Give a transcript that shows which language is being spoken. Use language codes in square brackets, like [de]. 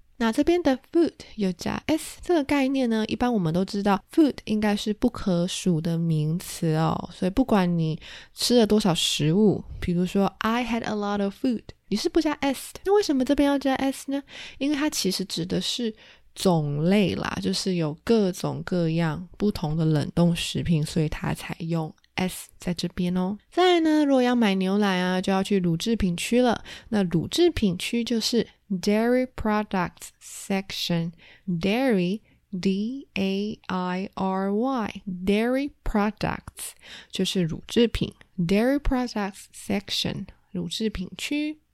[zh] 那这边的 food 有加 s 这个概念呢，一般我们都知道 food 应该是不可数的名词哦，所以不管你吃了多少食物，比如说 [en] I had a lot of food， [zh] 你是不加 s 的。那为什么这边要加 s 呢？因为它其实指的是种类啦，就是有各种各样不同的冷冻食品，所以它才用S 在这边哦。再来呢，如果要买牛奶啊，就要去乳制品区了。那乳制品区就是 [en] Dairy Products Section. Dairy, D-A-I-R-Y. [zh] Dairy Products 就是乳制品。 [en] Dairy Products Section, [zh] 乳制品区。